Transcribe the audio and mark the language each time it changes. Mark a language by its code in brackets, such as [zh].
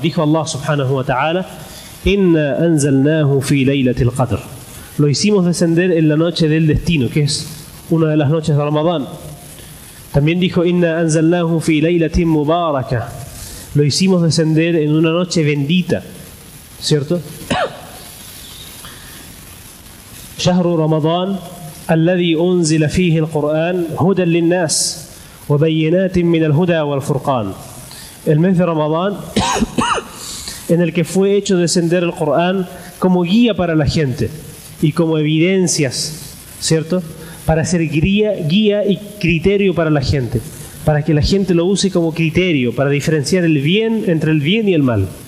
[es] Dijo [ar] Allah subhanahu wa ta'ala, Inna anzalnahu fi laylatil qadr. [es] Lo hicimos descender en la noche del destino, que es una de las noches de Ramadán. También dijo, [ar] Inna anzalnahu fi laylatin mubarakah. [es] Lo hicimos descender en una noche bendita, ¿cierto? [ar] شهر رمضان الذي أنزل فيه القرآن هدى للناس وبينات من الهدى والفرقان. [es] El mes de Ramadán en el que fue hecho descender el Corán como guía para la gente y como evidencias, ¿cierto? Para ser guía y criterio para la gente, para que la gente lo use como criterio para diferenciar el bien entre el bien y el mal.